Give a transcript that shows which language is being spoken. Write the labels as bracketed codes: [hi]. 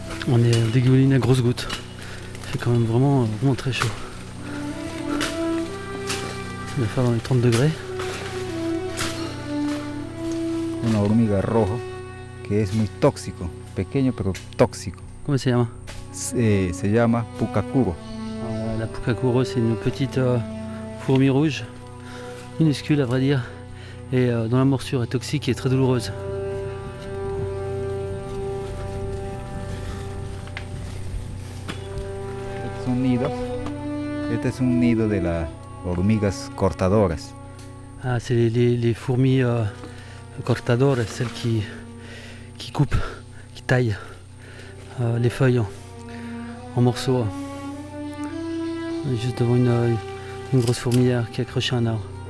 [fr] On est dégouliné à grosses gouttes. Il fait quand même vraiment, vraiment très chaud. Il va faire dans les 30 degrés. [es] Una hormiga roja que es muy tóxico, pequeño pero tóxico. [fr] Comment [es] se llama? Se llama pukakuro. [fr] La pukakuro, c'est une petite fourmi rouge, minuscule à vrai dire, et dont la morsure est toxique et très douloureuse. [es] Este es un nido de la hormigas cortadoras. [fr] Ah, c'est les fourmis cortadoras, celles qui coupent, qui taillent les feuilles en morceaux. Juste devant une grosse fourmilière qui a accroché un arbre.